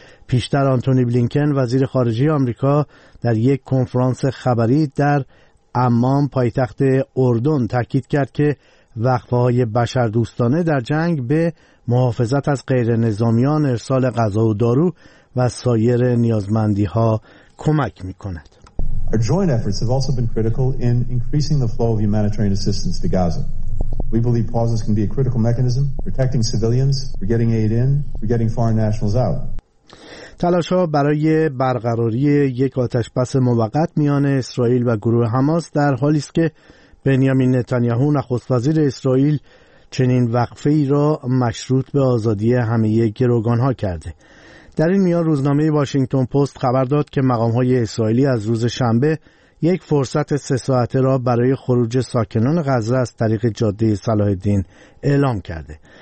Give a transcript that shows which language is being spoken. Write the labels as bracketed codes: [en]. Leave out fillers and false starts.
[fa] پیشتر آنتونی بلینکن وزیر خارجه آمریکا در یک کنفرانس خبری در عمان پایتخت اردن تاکید کرد که وقفه‌های بشردوستانه در جنگ به محافظت از غیر نظامیان، ارسال غذا و دارو و سایر نیازمندی‌ها کمک می‌کند. [en] Our joint efforts have also been critical in increasing the flow of humanitarian assistance to Gaza. We believe pauses can be a critical mechanism for protecting civilians, for getting aid in, for getting foreign nationals out. [fa] تلاش‌ها برای برقراری یک آتش‌بس موقت میان اسرائیل و گروه حماس در حالی است که بنیامین نتانیاهو نخست وزیر اسرائیل چنین وقفه‌ای را مشروط به آزادی همه گروگان‌ها کرده. در این میان روزنامه واشنگتن پست خبر داد که مقام‌های اسرائیلی از روز شنبه یک فرصت 3 ساعته را برای خروج ساکنان غزه از طریق جاده صلاح الدین اعلام کرده.